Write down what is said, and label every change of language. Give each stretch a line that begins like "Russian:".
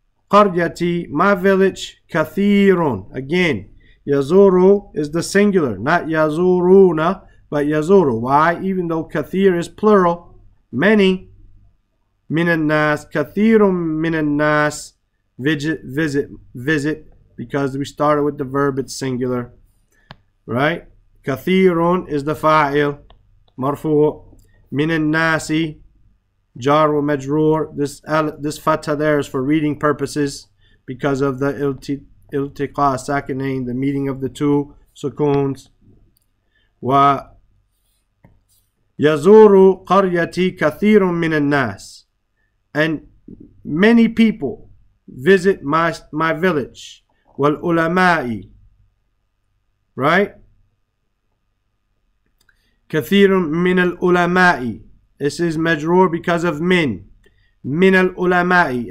English: قريتي, my village, كثيرون. Again, يزورو is the singular, not يزورونا, but يزورو. Why? Even though كثير is plural, many, من الناس,
Arabic: كثيرون من الناس,
English: visit, because we started with the verb, it's singular, right?
Arabic: كثيرون is the فاعل, مرفوع, من الناس, جار ومجرور.
English: This fatha there is for reading purposes because of the التقاء ساكنين, the meeting of the two sukuns.
Arabic: ويزور قريتي كثير من الناس.
English: And many people visit my village.
Arabic: والعلماء.
English: Right?
Arabic: كثير من العلماء.
English: This is majrur because of min. Min al-ulama'i.